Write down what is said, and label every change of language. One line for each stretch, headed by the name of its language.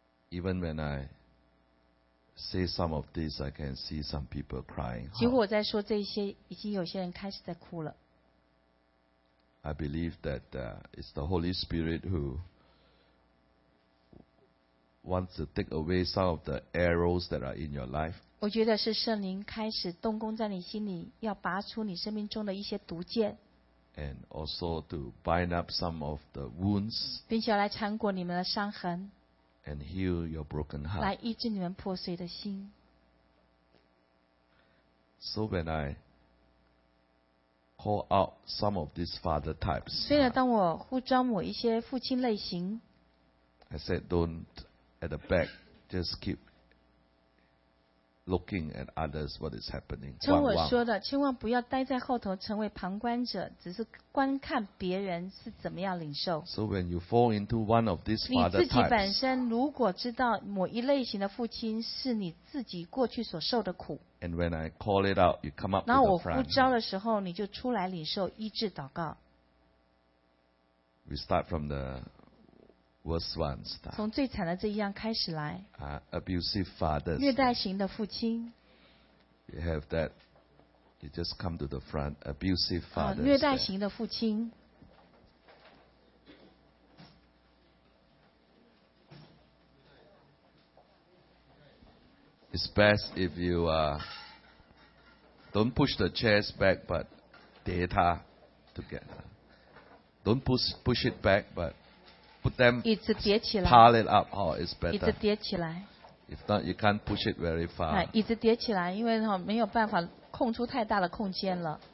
English: Even when I say some of this, I can see some people crying.
Chinese: 几乎我在说这些，已经有些人开始在哭了。
English: I believe that it's the Holy Spirit who wants to take away some of the arrows that are in your life.
Chinese: 我觉得是圣灵开始动工在你心里，要拔出你生命中的一些毒箭。
English: And also to bind up some of the wounds.
Chinese: 并且来缠裹你们的伤痕。
English: And heal your broken heart.
Chinese: 来医治你们破碎的心。
English: So when I call out some of these father types,
Chinese: 所以当我呼召某一些父亲类型
English: ，I said, "Don't at the back, just keep looking at others what is happening."
Chinese: 从我说的，千万不要待在后头，成为旁观者，只是观看别人是怎么样领受。
English: So when you fall into one of these father types,
Chinese: 你自己本身如果知道某一类型的父亲是你自己过去所受的苦
English: ，And when I call it out, you come up.
Chinese: 然后我呼召的时候，你就出来领受医治祷告。
English: We start from the worst one. Start.
Chinese: 从最惨的这一样开始来。
English: Abusive fathers.
Chinese: 虐待型的父亲。
English: You have that. You just come to the front. Abusive fathers.
Chinese: 虐待型的父亲。
English: It's best if you don't push the chairs back, but
Chinese: 叠它
English: together. Don't push it back, but put them
Chinese: 椅子叠起来。
English: Pile it up, oh, it's better.
Chinese: 椅子叠起来。
English: If not, you can't push it very far.
Chinese: 椅子叠起来，因为没有办法空出太大的空间了。